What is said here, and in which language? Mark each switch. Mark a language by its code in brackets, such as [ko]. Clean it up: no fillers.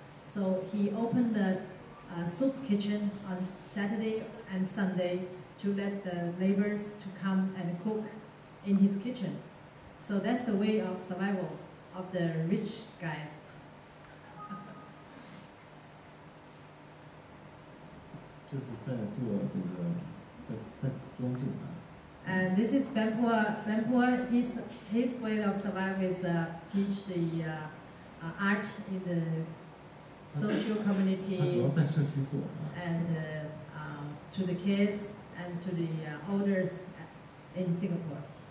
[en] So he opened a soup kitchen on Saturday and Sunday to let the laborers to come and cook in his kitchen. So that's the way of survival of the rich guys. [zh] 就是在做这个，在装饰它。 [en] And this is Benpua. Benpua, his way of survival is teach the art in the social community. [zh] 他主要在社区做。 [en] And to the kids and to the elders in Singapore.